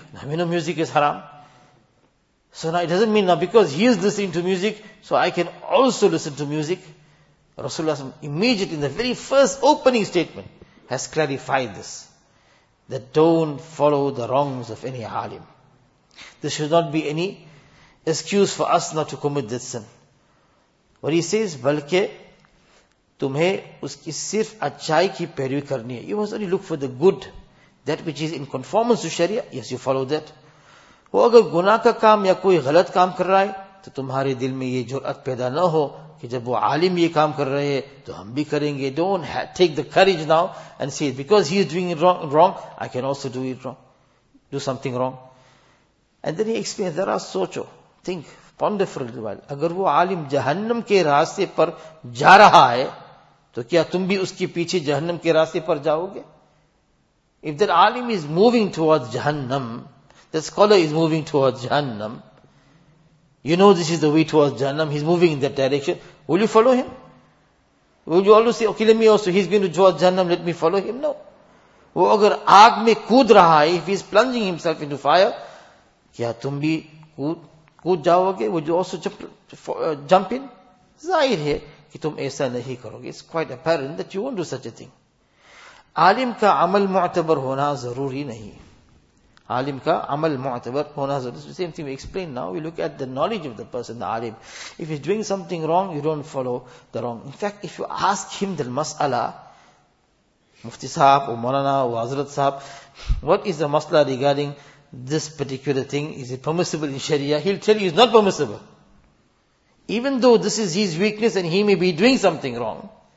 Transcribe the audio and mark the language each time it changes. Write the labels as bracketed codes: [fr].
[en] Now we know music is haram. So now it doesn't mean now because he is listening to music, so I can also listen to music. Rasulullah immediately in the very first opening statement has clarified this. That don't follow the wrongs of any alim. This should not be any excuse for us not to commit that sin. What he says, [ur] بلکہ تمہیں اس کی صرف اچھائی کی پیروی کرنی ہے. [en] You must only look for the good, that which is in conformance to Sharia. Yes, you follow that. [ur] وہ اگر گناہ کا کام یا کوئی غلط کام کر رہا ہے تو تمہارے دل میں یہ جرأت پیدا نہ ہو کہ جب وہ عالم یہ کام کر رہے ہیں تو ہم بھی کریں گے. [en] Don't take the courage now and say, because he is doing it wrong, I can also do it wrong, do something wrong. And then he explains, there are socho, think, ponder for a little while. [ur] اگر وہ عالم جہنم کے راستے پر جا رہا ہے تو کیا تم بھی اس کے پیچھے جہنم کے راستے پر جاؤ گے؟ [en] If that عالم is moving towards جہنم, that scholar is moving towards جہنم, you know this is the way towards جہنم, he's moving in that direction, will you follow him? Will you always say, okay, let me also, he's going to towards جہنم, let me follow him? No. [ur] وہ اگر آگ میں کود رہا ہے, [en] if he's plunging himself into fire, [ur] کیا تم بھی کود جاؤ گے؟ [en] Would you also jump in? [ur] ظاہر ہے کہ تم ایسا نہیں کرو گے. [en] It's quite apparent that you won't do such a thing. [ur] عالم کا عمل معتبر ہونا ضروری نہیں. عالم کا عمل معتبر ہونا ضروری. [en] It's the same thing we explain now. We look at the knowledge of the person, the عالم. If he's doing something wrong, you don't follow the wrong. In fact, if you ask him the masala, Mufti sahab, or Maulana, or Hazrat sahab, what is the masala regarding this particular thing, is it permissible in Sharia? He'll tell you it's not permissible. Even though this is his weakness and he may be doing something wrong.